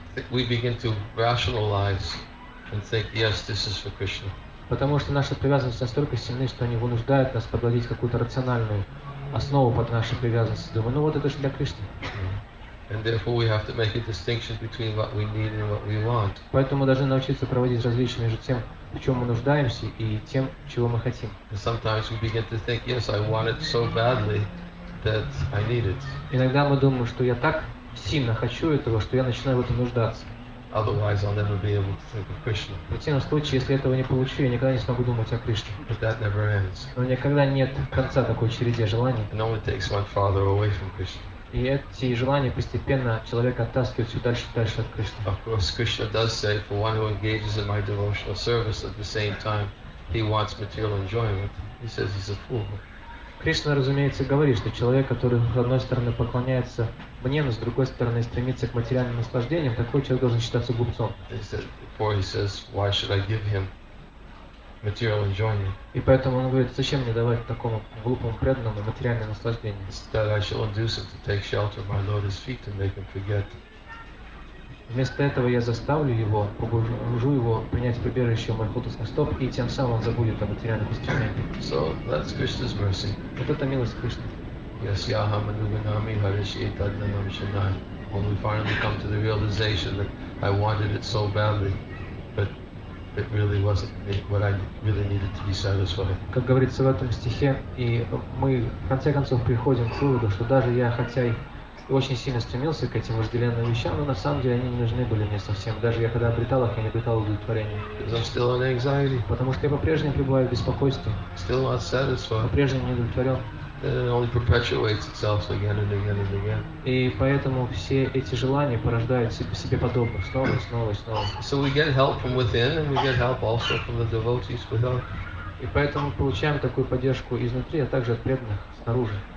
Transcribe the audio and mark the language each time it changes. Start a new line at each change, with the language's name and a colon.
English: We begin to rationalize and think, yes, this is for Krishna.
Russian: Потому что наши привязанности настолько сильны, что они вынуждают нас подводить какую-то рациональную основу под наши привязанности. Думаю, ну вот это же для Кришны.
English: And therefore we have to make a distinction between what we need and what we want.
Russian: Поэтому мы должны научиться проводить различия между тем, в чем мы нуждаемся, и тем, чего мы хотим.
English: And sometimes we begin to think, yes, I want it so badly that I need it.
Russian: Иногда мы думаем, что я так сильно хочу этого, что я начинаю в этом нуждаться.
English: Otherwise, I'll never be able to think of Krishna.
Russian: В противном случае, если этого не получу, я никогда не смогу думать о Кришне.
English: But that never ends.
Russian: Но никогда нет конца такой череде желаний.
English: And only takes one farther away from Krishna.
Russian: И эти желания постепенно человека оттаскивают все дальше и дальше от Кришны.
English: Of course, Krishna does say, for one who engages in my devotional service at the same time, he wants material enjoyment. He says he's a fool.
Russian: Кришна, разумеется, говорит, что человек, который с одной стороны поклоняется мне, но с другой стороны стремится к материальным наслаждениям, такой человек должен считаться глупцом.
English: He says, why should I give him material enjoyment?
Russian: И поэтому он говорит, зачем мне давать такому глупому преданному материальное наслаждение?
English: Instead, I shall induce him to take shelter of my lotus feet and make him forget.
Russian: Вместо этого я заставлю его, побужу его принять прибежище у моих лотосных стоп, и тем самым он забудет о материальных устремлениях.
English: So, that's Krishna's mercy.
Russian: Вот это милость Кришны.
Sanskrit: Yes, yaham anuganami harishitadnanam shanai.
English: When we finally come to the realization that I wanted it so badly, but it really wasn't what I really needed to be satisfied.
Russian: Как говорится в этом стихе, и мы в конце концов приходим к выводу, что даже я, хотя и очень сильно стремился к этим вожделенным вещам, но на самом деле они не нужны были мне совсем. Даже я когда обретал их, я не обретал удовлетворения. Потому что я по-прежнему пребываю в беспокойстве.
English: Still not satisfied.
Russian: По-прежнему не удовлетворен.
English: It only perpetuates itself again and again and again.
Russian: И поэтому все эти желания порождают себе подобных снова и снова и снова.
English: So we get help from within, and we get help also from the devotees without.
Russian: И поэтому получаем такую поддержку изнутри, а также от преданных снаружи.